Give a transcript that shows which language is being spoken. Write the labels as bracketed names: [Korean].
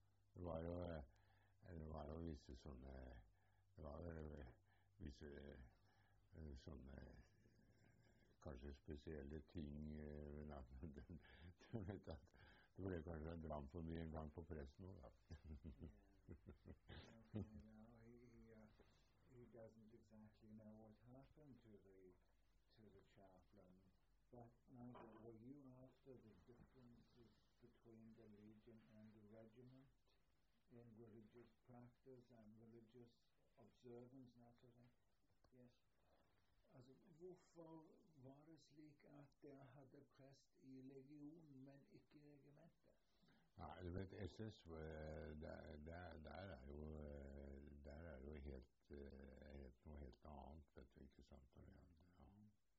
[Norwegian] Det var jo visse sånne kanskje spesielle ting, men at du vet at det ble kanskje en dram for mye en gang på presten også. [English] He doesn't exactly know what happened to the chaplain, but Nigel, were you after the differences between the legion and the regiment in religious practice and religious observance and that sort of thing? Yes. [Norwegian] Altså, hvorfor var det slik at dere hadde prest i legionen, men ikke i regimentet? Nei, du vet, SS, der er jo helt noe helt annet, vet du, ikke sant? Ja.